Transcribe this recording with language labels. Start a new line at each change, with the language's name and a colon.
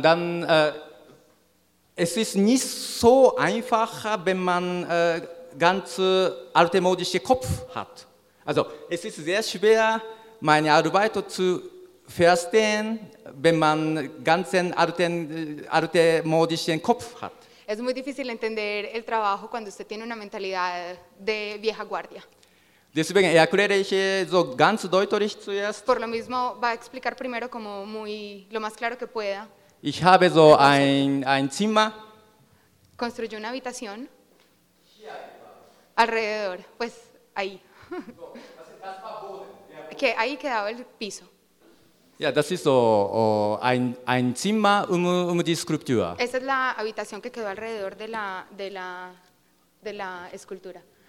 German: Dann es ist nicht so einfach, wenn man ganz altmodische Kopf hat. Also es ist sehr schwer, meine Arbeit zu verstehen, wenn man ganzen altmodischen Kopf hat.
Spanish: Es muy difícil entender el trabajo cuando usted tiene una mentalidad de vieja guardia.
German: Deswegen erkläre ich so ganz deutlich zuerst.
Spanish: Por lo mismo, va a explicar primero como muy lo más claro que pueda.
German: Ich habe so ein Zimmer.
Spanish: Construyó una habitación. Alrededor, pues ahí. Que ahí quedaba el piso.
German: Ja, das ist so ein Zimmer die Skulptur.
Spanish: Esa es la habitación que quedó alrededor de la escultura.